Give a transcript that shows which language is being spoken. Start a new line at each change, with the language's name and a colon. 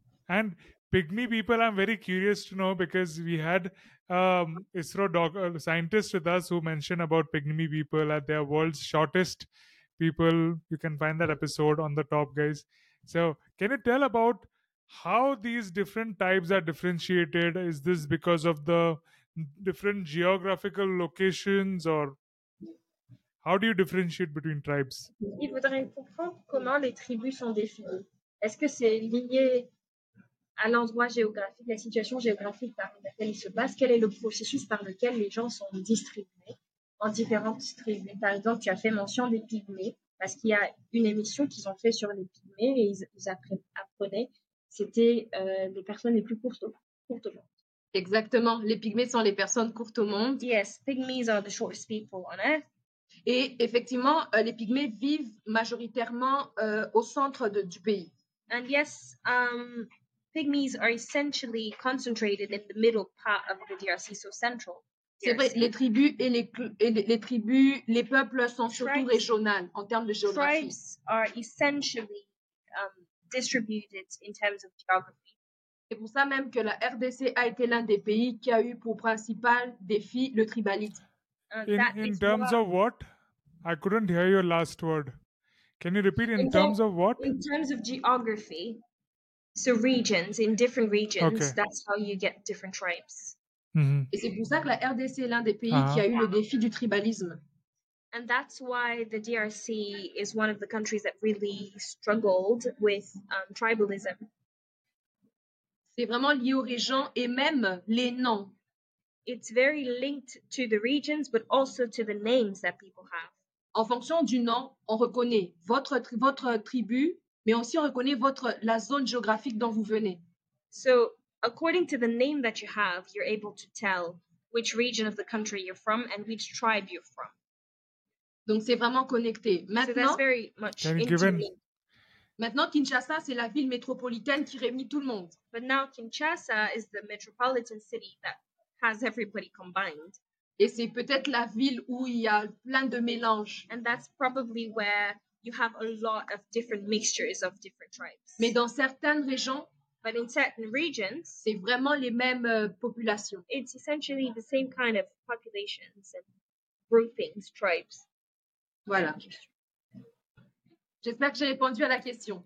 English: And pygmy people, I'm very curious to know, because we had ISRO scientist with us who mentioned about pygmy people at their world's shortest people. You can find that episode on the top, guys. So can you tell about how these different tribes are differentiated? Is this because of the different geographical locations, or how do you differentiate between tribes?
French: Il voudrait comprendre comment les tribus sont définies. Est-ce que c'est lié à l'endroit géographique, la situation géographique par laquelle ils se basent? Quel est le processus par lequel les gens sont distribués en différentes tribus? Par exemple, tu as fait mention des pygmées, parce qu'il y a une émission qu'ils ont fait sur les pygmées et ils apprenaient c'était les personnes les plus courtes au monde. Exactement, les pygmées sont les personnes courtes au monde.
English: Yes, pygmies are the shortest people on earth.
French: Et effectivement, les pygmées vivent majoritairement au centre du pays.
English: And yes, pygmies are essentially concentrated in the middle part of the DRC, so central. DRC.
French: C'est vrai, les tribus et les peuples sont surtout tribes, régionales en termes de géographie.
English: Tribes are essentially distributed in terms of geography.
French: C'est pour ça même que la RDC a été l'un des pays qui a eu pour principal défi le tribalisme.
English: In terms of what? I couldn't hear your last word. Can you repeat in terms of what? In terms of geography, so regions, in different regions, okay. That's how you get different tribes.
French: Mm-hmm. Et c'est pour ça que la RDC est l'un des pays qui a eu le défi du tribalisme.
English: And that's why the DRC is one of the countries that really struggled with tribalism.
French: C'est vraiment lié aux régions et même les noms.
English: It's very linked to the regions, but also to the names that people have.
French: En fonction du nom, on reconnaît votre tribu, mais aussi on reconnaît la zone géographique dont vous venez.
English: So, according to the name that you have, you're able to tell which region of the country you're from and which tribe you're from.
French: Donc, c'est vraiment connecté. Maintenant,
English: so that's very much
French: Maintenant, Kinshasa, c'est la ville métropolitaine qui réunit tout le monde.
English: But now Kinshasa is the metropolitan city that has everybody combined.
French: Et c'est peut-être la ville où il y a plein de mélanges.
English: And that's probably where you have a lot of different mixtures of different tribes.
French: Mais dans certaines régions,
English: but in certain regions,
French: c'est vraiment les mêmes populations.
English: It's essentially the same kind of populations and groupings, tribes.
French: Voilà. J'espère que j'ai répondu à la question.